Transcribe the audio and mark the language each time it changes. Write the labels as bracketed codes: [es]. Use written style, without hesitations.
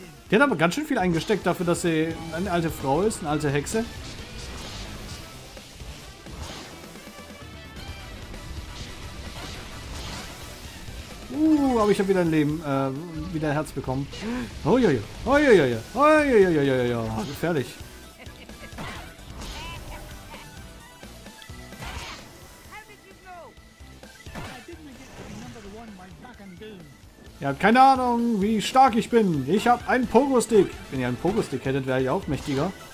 [de] Die hat aber ganz schön viel eingesteckt dafür, dass sie eine alte Frau ist, eine alte Hexe. Aber ich habe wieder ein Leben, wieder ein Herz bekommen. Gefährlich. [en] How did you know? I didn't get to be number one by Black and Doom. [de] Ihr habt keine Ahnung, wie stark ich bin. Ich habe einen Pogo-Stick. Wenn ihr einen Pogo-Stick hättet, wäre ich auch mächtiger.